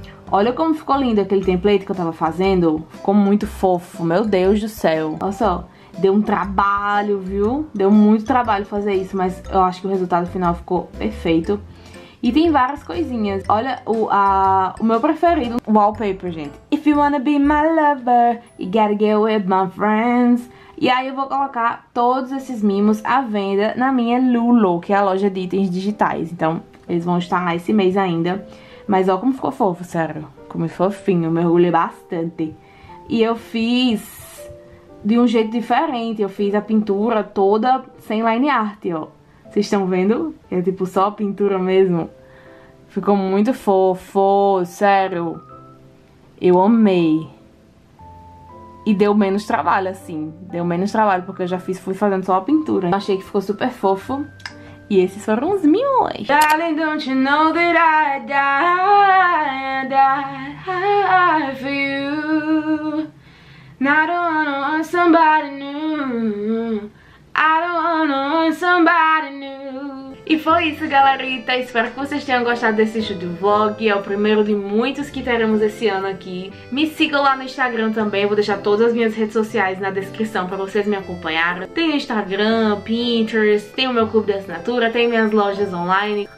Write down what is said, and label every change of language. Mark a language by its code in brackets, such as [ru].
[pt] Olha como ficou lindo aquele template que eu tava fazendo. Ficou muito fofo, meu Deus do céu. Olha só, deu um trabalho, viu? Deu muito trabalho fazer isso, mas eu acho que o resultado final ficou perfeito. E tem várias coisinhas. Olha o meu preferido, wallpaper, gente. [en] If you wanna be my lover, you gotta get with my friends. [pt] E aí eu vou colocar todos esses mimos à venda na minha Lulu, que é a loja de itens digitais. Então eles vão estar lá esse mês ainda. Mas olha como ficou fofo, sério. Como fofinho, eu mergulhei bastante. E eu fiz de um jeito diferente. Eu fiz a pintura toda sem line art, ó. Vocês estão vendo? É tipo só a pintura mesmo. Ficou muito fofo, sério. Eu amei. E deu menos trabalho, assim. Deu menos trabalho, porque eu já fiz, fui fazendo só a pintura. Eu achei que ficou super fofo. E esses foram os mimos. [en] Darling, don't you know that I die and I for you? Now I don't wanna want somebody new. I don't wanna want somebody new. [pt] E foi isso, galerita. Espero que vocês tenham gostado desse vídeo vlog. É o primeiro de muitos que teremos esse ano aqui. Me sigam lá no Instagram também. Vou deixar todas as minhas redes sociais na descrição pra vocês me acompanharem. Tem o Instagram, Pinterest, tem o meu clube de assinatura, tem minhas lojas online.